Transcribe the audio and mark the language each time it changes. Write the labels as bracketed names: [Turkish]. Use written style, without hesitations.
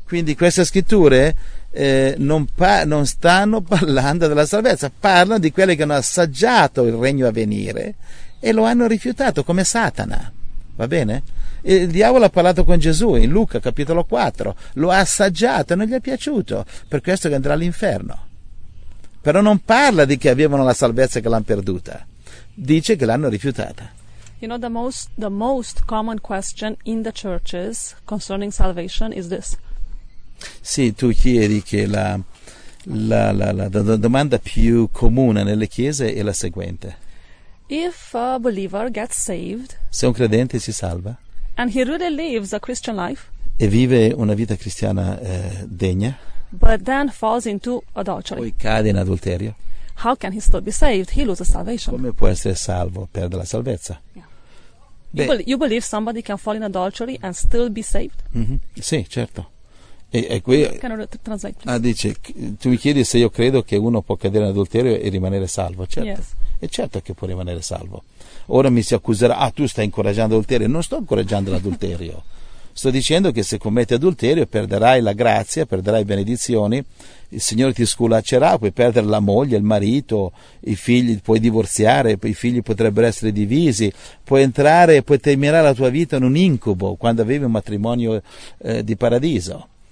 [Italian] Quindi queste scritture non stanno parlando della salvezza, parlano di quelli che hanno assaggiato il regno a venire e lo hanno rifiutato, come Satana. Va bene? Il diavolo ha parlato con Gesù in Luca capitolo 4, lo ha assaggiato e non gli è piaciuto, per questo che andrà all'inferno. Però non parla di che avevano la salvezza e che l'hanno perduta, dice che l'hanno rifiutata. [English] You know, the most common question in the churches concerning salvation is this. [Italian] Sì, tu chiedi che la domanda più comune nelle chiese è la seguente. [English] If a believer gets saved, [Italian] se un credente si salva, [English] and he really lives a Christian life, [Italian] e vive una vita cristiana degna, [English] but then falls into adultery, [Italian] poi cade in adulterio, [English] how can he still be saved? He loses salvation. [Italian] Come può essere salvo? Perde la salvezza. [English] Yeah. Beh, you believe somebody can fall in adultery and still be saved? [Italian] Mm-hmm. Sì, certo. E qui, dice, tu mi chiedi se io credo che uno può cadere in adulterio e rimanere salvo. Certo. [English] Yes. [Italian] E certo che può rimanere salvo. Ora mi si accuserà: ah, tu stai incoraggiando l'adulterio. Non sto incoraggiando l'adulterio. Sto dicendo che se commetti adulterio perderai la grazia, perderai benedizioni, il Signore ti sculaccerà, puoi perdere la moglie, il marito, i figli, puoi divorziare, i figli potrebbero essere divisi, puoi entrare e puoi terminare la tua vita in un incubo quando avevi un matrimonio di paradiso.